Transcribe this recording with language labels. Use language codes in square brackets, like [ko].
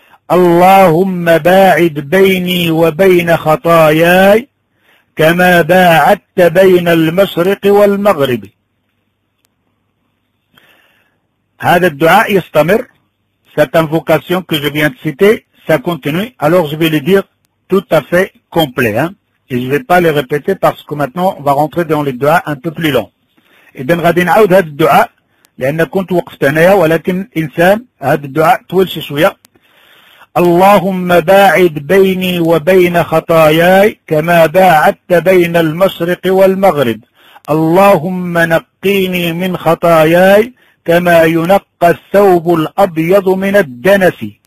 [ar] اللهم باعد بيني وبين خطاياي كما باعدت بين المشرق والمغرب. هذا الدعاء يستمر. [fr] Cette invocation que je viens de citer, ça continue. Alors je vais le dire tout à fait complet, hein. Et je vais pas le répéter parce que maintenant on va rentrer dans les dua un peu plus long. [ar] إذن غادي نعاود هذا الدعاء لأن كنت وقفت هنايا ولكن إنسان هذا الدعاء طول شي شوية. اللهم باعد بيني وبين خطاياي كما باعدت بين المشرق والمغرب. اللهم نقيني من خطاياي كما ينقى الثوب الأبيض من الدنس.